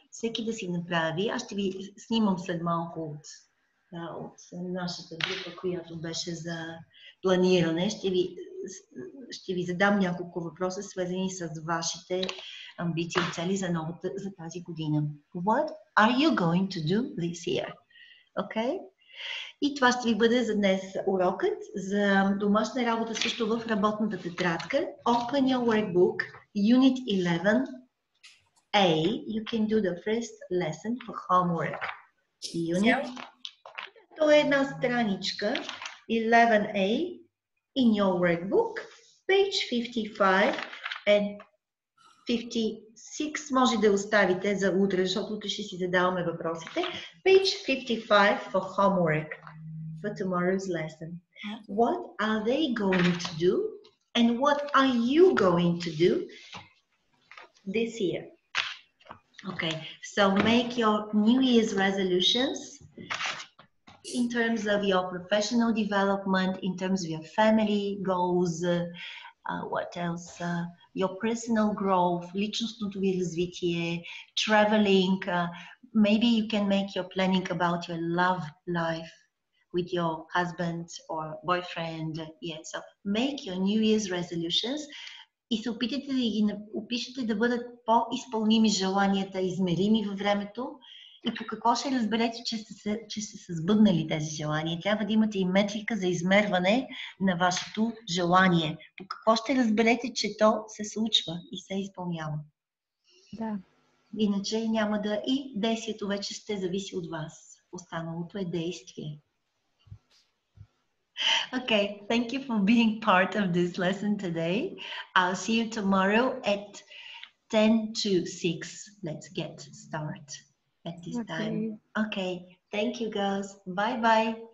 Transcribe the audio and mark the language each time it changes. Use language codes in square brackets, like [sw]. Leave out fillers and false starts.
[bg] Всеки да си направи. Аз ще ви снимам след малко от, да, от нашата група, която беше за планиране. Ще ви задам няколко въпроса, свързани с вашите амбиции и цели за новата, за тази година. [en] What are you going to do this year? Okay? [bg] И това ще ви бъде за днес урокът за домашна работа също в работната тетрадка. [en] Open your workbook, Unit 11A. You can do the first lesson for homework. [bg] То е една страничка, 11A, [en] in your workbook, page 55 and 56 [bg] може да оставите за утре, защото утре ще си задаваме въпросите. [en] Page 55 for homework for tomorrow's lesson. What are they going to do and what are you going to do this year? Okay, so make your New Year's resolutions in terms of your professional development, in terms of your family goals, what else... your personal growth, [bg] личностното ви развитие, [en] traveling, maybe you can make your planning about your love life with your husband or boyfriend. Yeah, so make your New Year's resolutions [bg] и се опитайте да ги опишете да бъдат по-изпълними желанията, измерими във времето и по какво ще разберете, че сте се сбъднали тези желания. Трябва да имате и метрика за измерване на вашето желание. По какво ще разберете, че то се случва и се изпълнява. Да. Иначе няма да... И действието вече ще зависи от вас. Останалото е действие. [en] Okay, thank you for being part of this lesson today. I'll see you tomorrow at 10 to 6. Let's get started. At this time. Okay. Thank you, girls. Bye-bye.